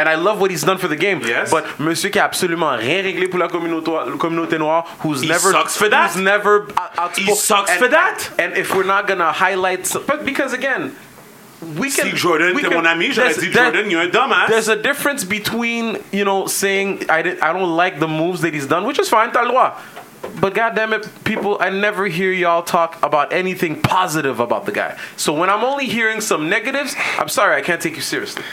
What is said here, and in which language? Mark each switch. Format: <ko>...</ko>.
<en>And I love what he's done for the game. Yes. But</en> <fr>monsieur qui a absolument rien réglé pour la communauté noire,</fr> <en>who sucks for that. And if we're not gonna highlight, but because again. We can,</en> <fr>si Jordan était mon ami, j'aurais dit Jordan,</fr> <en>you're a dumbass. There's a difference between, you know, saying I don't like the moves that he's done, which is fine,</en> <fr>t'as le droit.</fr> <en>But goddamn it, people, I never hear y'all talk about anything positive about the guy. So when I'm only hearing some negatives, I'm sorry, I can't take you seriously.</en>